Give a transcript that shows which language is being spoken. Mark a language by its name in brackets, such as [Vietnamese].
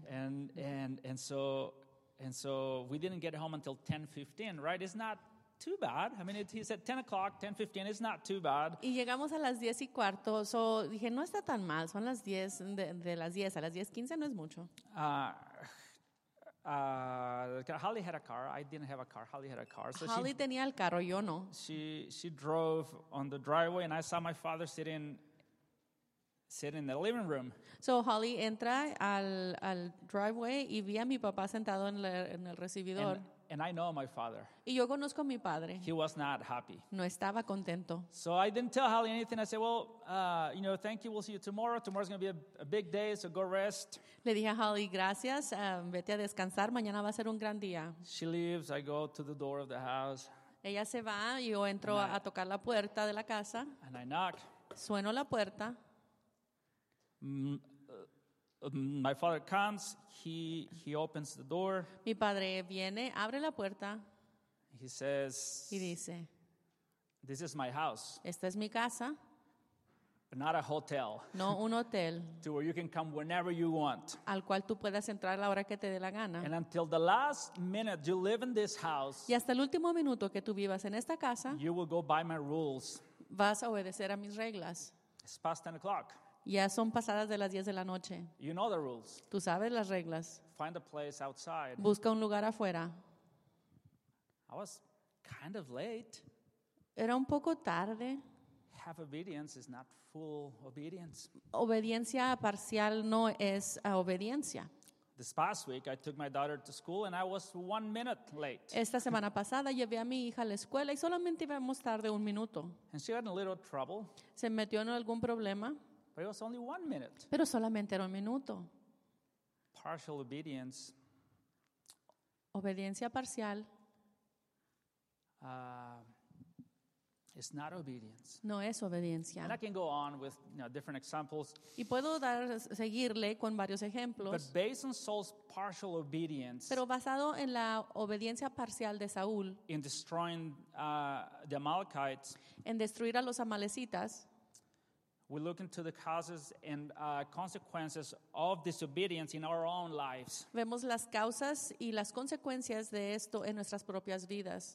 [English] And so we didn't get home until 10:15. Right? It's not too bad. I mean, he said 10 o'clock, 10:15, it's not too bad. [Spanish] Y llegamos a las 10 y cuarto, so dije, no está tan mal, son las 10, de las 10 a las 10:15 no es mucho. [English] Holly had a car. I didn't have a car. Holly had a car. [Spanish] So Holly tenía el carro, yo no. [English] She drove on the driveway, and I saw my father sitting in the living room. [Spanish] So Holly entra al driveway y vi a mi papá sentado en el recibidor. [English] And I know my father. [Spanish] Y yo conozco a mi padre. [English] He was not happy. [Spanish] No estaba contento. [English] So I didn't tell Holly anything. I said, well, you know, thank you. We'll see you tomorrow. Tomorrow's going to be a big day, so go rest. [Spanish] Le dije a Holly, gracias. Vete a descansar. Mañana va a ser un gran día. [English] She leaves. I go to the door of the house. [Spanish] Ella se va. Yo entro a tocar la puerta de la casa. [English] And I knock. [Spanish] Sueno la puerta. [English] My father comes. He opens the door. [Spanish] Mi padre viene, abre la puerta. [English] He says, [Spanish] y dice, [English] this is my house. [Spanish] Esta es mi casa. [English] But not a hotel. [Spanish] No un hotel. [English] To where you can come whenever you want. [Spanish] Al cual tú puedas entrar a la hora que te dé la gana. [English] And until the last minute you live in this house. [Spanish] Y hasta el último minuto que tú vivas en esta casa. [English] You will go by my rules. [Spanish] Vas a obedecer a mis reglas. [English] It's past 10 o'clock. [Spanish] Ya son pasadas de las 10 de la noche. [English] You know the rules. [Spanish] Tú sabes las reglas. [English] Find a place outside. [Spanish] Busca un lugar afuera. [English] I was kind of late. [Spanish] Era un poco tarde. [English] Half obedience is not full obedience. [Spanish] Obediencia parcial no es obediencia. [English] This past week, I took my daughter to school and I was 1 minute late. [Spanish] Esta semana pasada llevé a mi hija a la escuela y solamente íbamos tarde un minuto. [English] And she got in a little trouble. [Spanish] Se metió en algún problema. [English] But it was only 1 minute. [Spanish] Pero solamente era un minuto. [English] Partial obedience. [Spanish] Obediencia parcial. [English] It's not obedience. [Spanish] No es obediencia. [English] And I can go on with, you know, different examples. [Spanish] Y puedo seguirle con varios ejemplos. [English] But based on Saul's partial obedience. [Spanish] Pero basado en la obediencia parcial de Saúl. [English] In destroying the Amalekites. [Spanish] En destruir a los amalecitas. [English] We look into the causes and consequences of disobedience in our own lives. [Spanish] Vemos las causas y las consecuencias de esto en nuestras propias vidas.